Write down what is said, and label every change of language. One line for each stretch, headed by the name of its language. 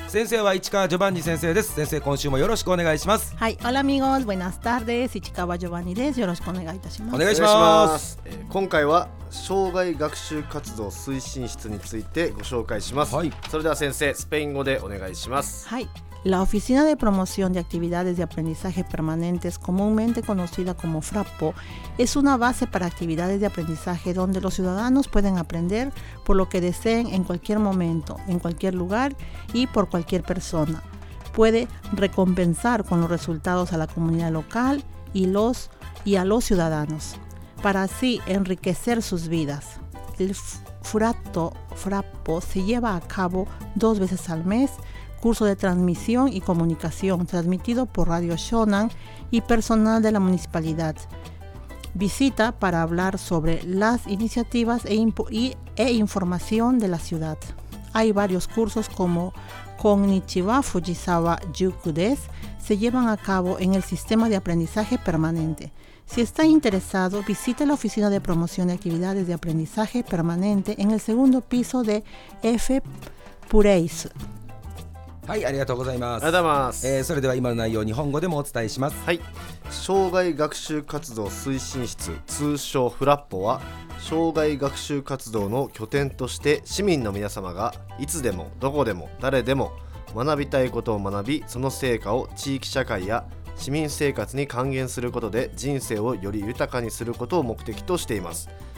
Japanese: 先生は市川ジョバンニ先生です。先生今週もよろしくお願いします。はい、オラミゴーズ、ブエナスタールです。市川ジョバンニです。よろしくお願いいたします。お願いします。今回は障害学習活動推進室についてご紹介します。はい、それでは先生スペイン語でお願いします。
Spanish: はい、La Oficina de Promoción de Actividades de Aprendizaje Permanentes, comúnmente conocida como FRAPO, es una base para actividades de aprendizaje donde los ciudadanos pueden aprender por lo que deseen en cualquier momento, en cualquier lugar y por cualquier persona. Puede recompensar con los resultados a la comunidad local y a los ciudadanos, para así enriquecer sus vidas. El FRAPO se lleva a cabo dos veces al mes,curso de transmisión y comunicación transmitido por Radio Shonan y personal de la municipalidad. Visita para hablar sobre las iniciativas e información de la ciudad. Hay varios cursos como Konnichiwa Fujisawa Juku des, se llevan a cabo en el sistema de aprendizaje permanente. Si está interesado, visite la Oficina de Promoción de Actividades de Aprendizaje Permanente en el segundo piso de F. Pureis.
Japanese: はい、ありがとうございます。ありがとうございます、それでは今の内容を日本語でもお伝えします。はい、障害学習活動推進室、通称フラッポは障害学習活動の拠点として、市民の皆様がいつでもどこでも誰でも学びたいことを学び、その成果を地域社会や市民生活に還元することで人生をより豊かにすることを目的としています。